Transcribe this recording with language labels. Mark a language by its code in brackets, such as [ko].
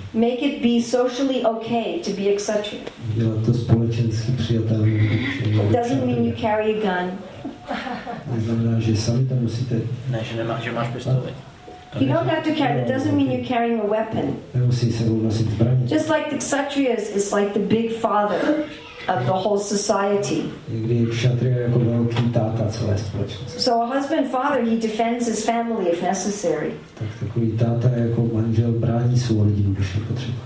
[en] Make it be socially okay to be a kshatriya. [cs] Dělat to společensky přijatelné. [en] It doesn't mean you carry a gun. [cs] Neznamená, že sami to musíte. Ne, že nemáš, že máš pistoli. [en] You don't have to carry. It doesn't mean you're carrying a weapon. [cs] Nemusíš sebou nosit zbraně. [en] Just like the kshatriya is like the big father of the whole society. [cs] Někdy je kshatriya jako velký táta celé společnosti. [en] So a husband father, he defends his family if necessary. [cs] Tak takový táta jako manžel brání svou rodinu, když je potřeba.